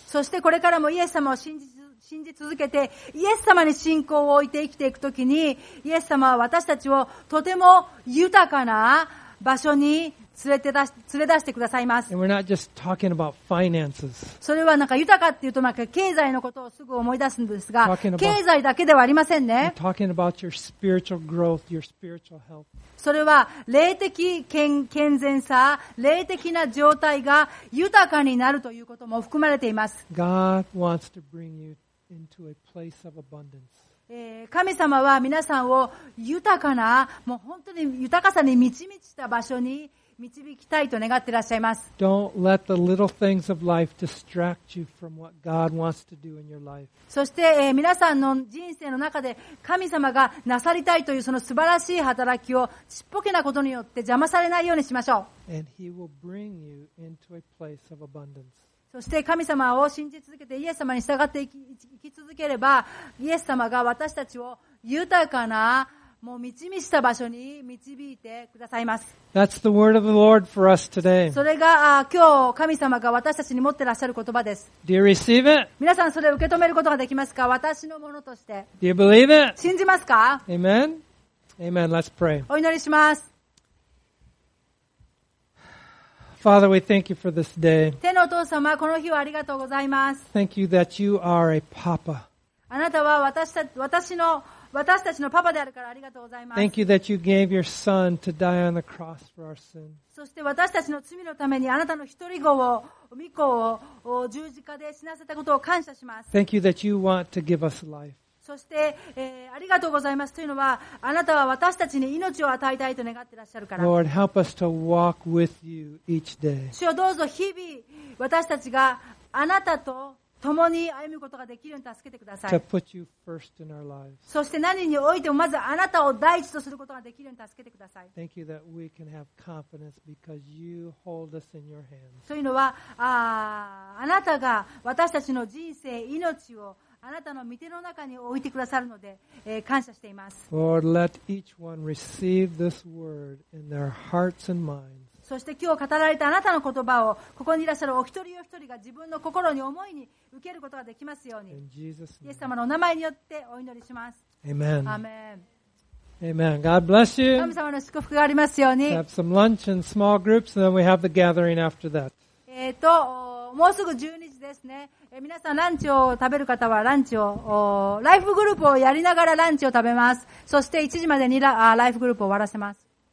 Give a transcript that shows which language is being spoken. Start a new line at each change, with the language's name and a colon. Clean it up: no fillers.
Japanese: そしてこれからもイエス様を信じ続けて、イエス様に信仰を置いて生きていくときに、イエス様は私たちをとても豊かな場所に連れ出してくださいます。
English: And we're not just talking about finances.
Japanese: それはなんか豊かっていうと、なんか経済のことをすぐ思い出すんですが、経済だけではありませんね。
English: We're talking about your spiritual growth, your spiritual health.
Japanese: それは霊的健全さ、霊的な状態が豊かになるということも含まれています。
English: God wants to bring you into a place of abundance.
Japanese: 神様は皆さんを豊かな、もう本当に豊かさに満ち満ちた場所に導きたいと願っていらっしゃいます。
English: Don't let the little things of life distract you from what God wants to do in your life.
Japanese: そして、皆さんの人生の中で神様がなさりたいというその素晴らしい働きをちっぽけなことによって邪魔されないようにしましょう。
English: And He will bring you into a place of abundance.
Japanese: そして神様を信じ続けて、イエス様に従って生き続ければ、イエス様が私たちを豊かな、もう満ち満ちた場所に導いてくださいます。
English: That's the word of the Lord for us today.
Japanese: それが今日神様が私たちに持ってらっしゃる言葉です。
English: Do you receive it?
Japanese: 皆さんそれを受け止めることができますか？私のものとして。
English: Do you believe it?
Japanese: 信じますか？
English: Amen? Amen. Let's pray.
Japanese: お祈りします。
English: Father, we thank you for this day.
Japanese: 天のお父様、この日をありがとうございます。
English: Thank you that you are a papa.
Japanese: あなたは私たちのパパであるからありがとうございます。
English: Thank you that you gave your son to die on the cross for our sins.
Japanese: そして私たちの罪のためにあなたの一人子を、御子を十字架で死なせたことを感謝します。
English: Thank you that you want to give us life.
Japanese: そして、ありがとうございますというのは、あなたは私たちに命を与えたいと願っていらっしゃるから。
English: Lord, help us to walk with you each day.
Japanese: 主よ、どうぞ日々私たちがあなたと共に歩むことができるように助けてください。
English: To put you first in our lives.
Japanese: そして何においてもまずあなたを第一とすることができるように助けてください。
English: Thank you that we can have confidence because you hold us in your hands.
Japanese: そういうのは、あなたが私たちの人生、命をあなたの御手の中に置いてくださるので、感謝しています。
English: Lord, let each one receive this word in their hearts and minds.
Japanese: そして今日語られたあなたの言葉をここにいらっしゃるお一人お一人が自分の心に思いに受けることができますように、
English: in Jesus' name.
Japanese: イエス様のお名前によってお祈りします。
English: Amen. Amen. Amen. God bless you.
Japanese: 神様の祝福がありますように。
English: Have some lunch in small groups and then we have the gathering after that.
Japanese: もうすぐ12時ですね。皆さんランチを食べる方はランチを、ライフグループをやりながらランチを食べます。そして1時までにライフグループを終わらせます。